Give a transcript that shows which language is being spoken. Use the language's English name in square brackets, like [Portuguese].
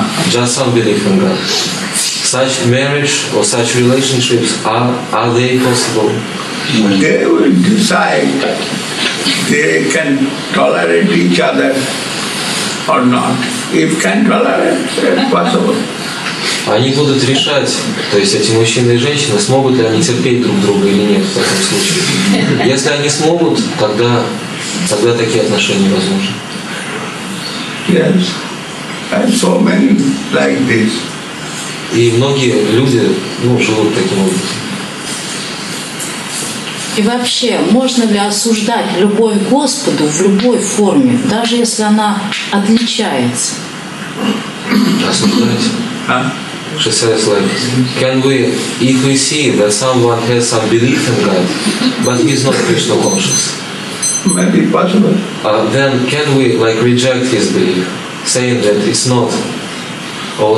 [English] Just some belief in God. Such marriage or such relationships, are they possible? They will decide they can tolerate each other or not. If can tolerate, it's possible. [Russian] Они будут решать, то есть эти мужчины и женщины, смогут ли они терпеть друг друга или нет в таком случае. Если они смогут, тогда такие отношения возможны. [English] Yes. And so many like this. [Russian] И многие люди, ну, живут таким образом. И вообще, можно ли осуждать любовь к Господу в любой форме, даже если она отличается? Осуждать? [English] She says, like, can we, if we see that someone has some belief in God, but he's not Krishna conscious? Maybe possible. Then can we, like, reject his belief? Saying that it's not all